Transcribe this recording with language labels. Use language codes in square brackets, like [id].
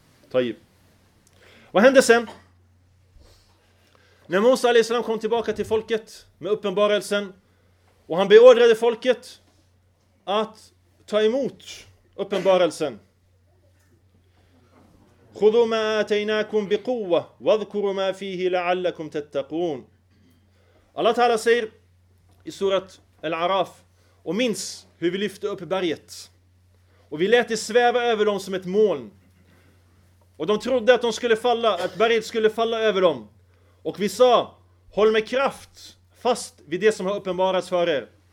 [sv] Tayyib. Vad hände sen? När Musa alayhis salam kom tillbaka till folket med uppenbarelsen och han beordrade folket att ta emot uppenbarelsen. [ar] خذوا ما آتيناكم بقوة واذكروا ما فيه لعلكم تتقون. [sv] Allah ta'ala säger i surat Al-Araf, och minns hur vi lyfte upp berget och vi lät det sväva över dem som ett moln. Och de trodde att de skulle falla, att berget skulle falla över dem. Och vi sa, håll med kraft fast vid det som har uppenbarats för er.